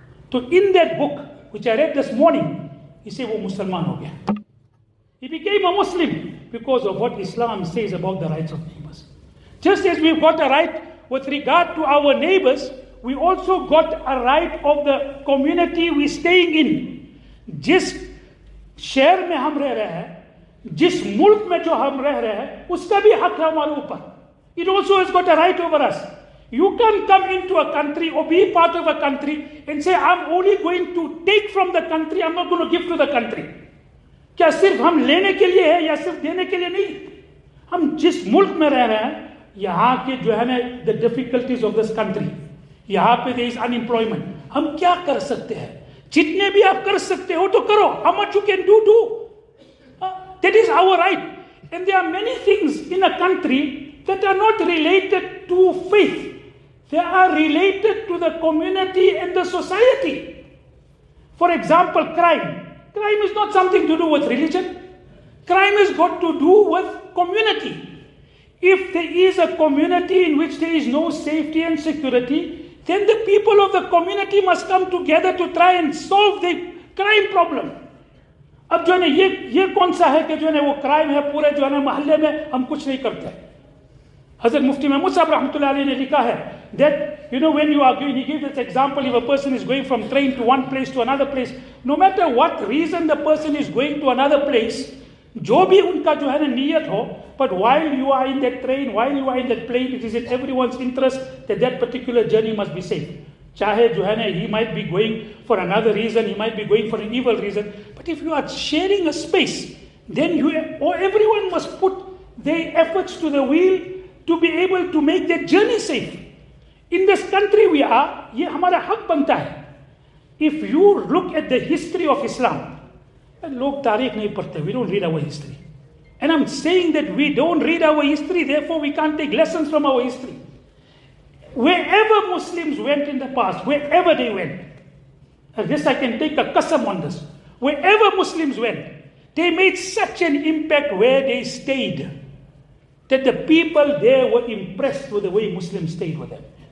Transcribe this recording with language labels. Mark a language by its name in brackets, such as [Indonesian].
[English] So in that book, which I read this morning, he said, [Hindi] wo Musliman ho gaya. [English] He became a Muslim because of what Islam says about the rights of neighbors. Just as we've got a right with regard to our neighbors, we also got a right of the community we're staying in. [Hindi] Jis shehar mein hum reh rahe hain, जिस मुल्क में जो हम रह रहे हैं उसका भी हक है हमारे ऊपर. [English] It also has got a right over us. You can come in to a country और be part of a country and say I am only going to take from the country, I am not going to give to the country. [Hindi] क्या सिर्फ हम लेने के लिए है या सिर्फ देने के लिए? नहीं, हम जिस मुल्क में रह रहे हैं, यहाँ के जो है ना [English] the difficulties of this country, [Hindi] यहाँ पे [English] there is unemployment, [Hindi] हम क्या कर सकते हैं? जितने भी आप कर सकते हो तो करो. [English] How much you can do do. That is our right. And there are many things in a country that are not related to faith. They are related to the community and the society. For example, crime. Crime is not something to do with religion. Crime has got to do with community. If there is a community in which there is no safety and security, then the people of the community must come together to try and solve the crime problem. [Hindi] अब जो है ना ये कौन सा है कि जो है ना वो क्राइम है पूरे जो है ना मोहल्ले में हम कुछ नहीं करते. हजरत मुफ्ती महमूद साहब रहमतुल्लाह अलैह ने लिखा है [English] that you know when you are giving, he give this example, if a person is going from train to one place to another place, no matter what reason the person is going to another place, [Hindi] जो भी उनका जो है ना नीयत हो, [English] But while you are in that train, while you are in that plane, it is in everyone's interest that that particular journey must be safe. [Hindi] चाहे जो है ना [English] He might be going for another reason, he might be going for an evil reason, but if you are sharing a space then you और everyone must put their efforts to the wheel to be able to make that journey safe. In this country we are, [Hindi] ये हमारा हक बनता है. [English] if you look at the history of Islam, [Hindi] लोग तारीख नहीं पढ़ते, [English] We don't read our history, And I'm saying that we don't read our history, therefore we can't take lessons from our history. Wherever Muslims went in the past, wherever they went, I guess I can take a qasam on this, wherever Muslims went, they made such an impact where they stayed that the people there were impressed with the way Muslims stayed with them.